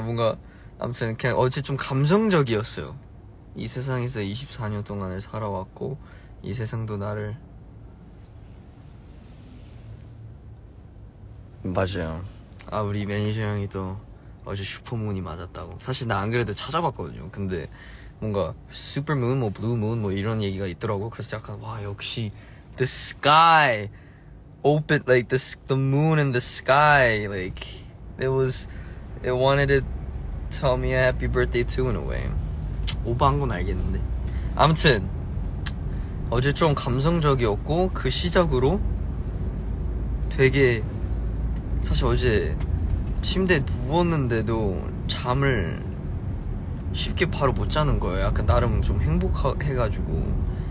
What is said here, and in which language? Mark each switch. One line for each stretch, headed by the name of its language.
Korean: 나 뭔가 아무튼 그냥 어제 좀 감성적이었어요. 이 세상에서 24년 동안을 살아왔고, 이 세상도 나를 맞아요. 아, 우리 매니저 형이 또 어제 슈퍼문이 맞았다고. 사실 나안 그래도 찾아봤거든요. 근데 뭔가 슈퍼문 뭐 블루문 뭐 이런 얘기가 있더라고. 그래서 약간 와, 역시
English: the sky opened, like the moon in the sky, like it wanted to tell me a happy birthday too in a way.
Korean: 오버한 건 알겠는데. 아무튼 어제 좀 감성적이었고, 그 시작으로 되게, 사실 어제 침대에 누웠는데도 잠을 쉽게 바로 못 자는 거예요. 약간 나름 좀 행복해가지고.